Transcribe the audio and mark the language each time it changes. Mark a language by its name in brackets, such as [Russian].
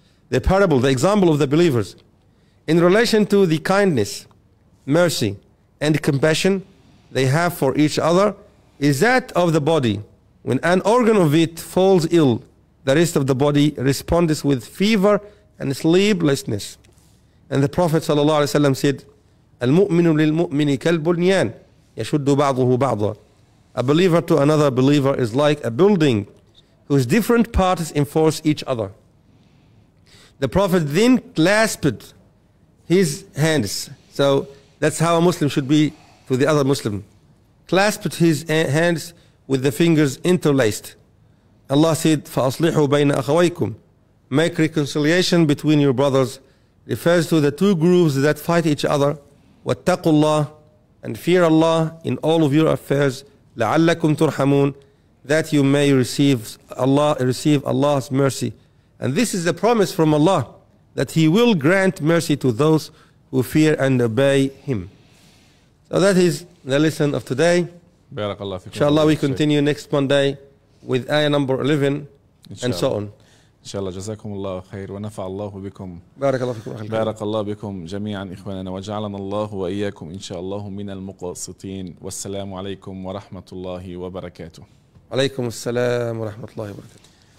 [English] The parable, the example of the believers, in relation to the kindness, mercy, and compassion they have for each other, is that of the body. When an organ of it falls ill, the rest of the body responds with fever and sleeplessness. And the Prophet ﷺ said, [Arabic] "Al-mu'minu lil-mu'mini kal-bunyan yashuddu ba'dahu ba'dahu." [English] A believer to another believer is like a building whose different parts enforce each other. The Prophet then clasped his hands. So that's how a Muslim should be to the other Muslim. Clasped his hands with the fingers interlaced. Allah said, [Arabic] فَأَصْلِحُوا بَيْنَ أَخَوَيْكُمْ. [English] Make reconciliation between your brothers. Refers to the two groups that fight each other. [Arabic] وَاتَّقُوا اللَّهِ. [English] And fear Allah in all of your affairs. [Arabic] لَعَلَّكُمْ تُرْحَمُونَ. [English] That you may receive Allah's mercy. And this is a promise from Allah that He will grant mercy to those who fear and obey Him. So that is the lesson of today. Barakallah. Inshallah, we continue next Monday with ayah number 11 and so on. [Arabic] إن شاء الله جزاكم الله خير ونفع الله بكم. بارك الله فيكم. بارك الله بكم جميعا إخواننا، وجعلنا الله وإياكم إن شاء الله من المقاصطين. والسلام عليكم ورحمة الله وبركاته. عليكم السلام ورحمة الله وبركاته.